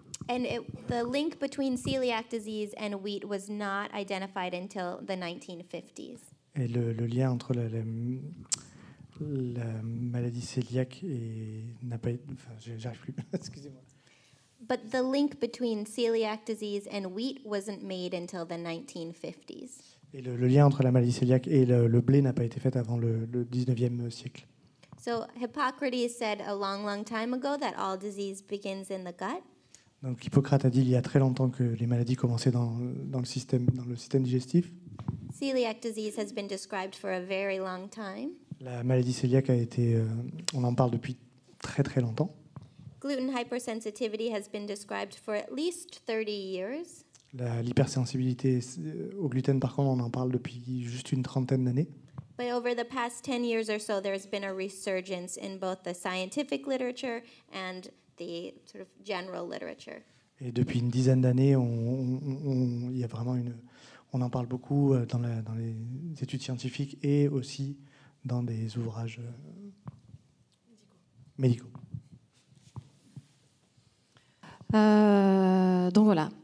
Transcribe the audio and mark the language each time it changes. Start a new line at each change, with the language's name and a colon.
English: And the link between celiac disease and wheat was not identified until the 1950s.
French: Et le lien entre la La maladie cœliaque et n'a pas. Enfin, j'arrive plus. Excusez-moi.
English: But the link between celiac disease and wheat wasn't made until the 1950s.
French: Et le lien entre la maladie cœliaque et le blé n'a pas été fait avant le 19e siècle.
English: So Hippocrates said a long, long time ago that all disease begins in the gut.
French: Donc Hippocrate a dit il y a très longtemps que les maladies commençaient dans le système digestif.
English: Celiac disease has been described for a very long time.
French: La maladie cœliaque a été, on en parle depuis très très longtemps.
English: Gluten hypersensitivity has been described for at least 30 years.
French: L'hypersensibilité au gluten, par contre, on en parle depuis juste une trentaine d'années.
English: But over the past 10 years or so, there has been a resurgence in both the scientific literature and the sort of general literature.
French: Et depuis une dizaine d'années, il y a vraiment une, on en parle beaucoup dans les études scientifiques et aussi dans des ouvrages médicaux. Donc voilà.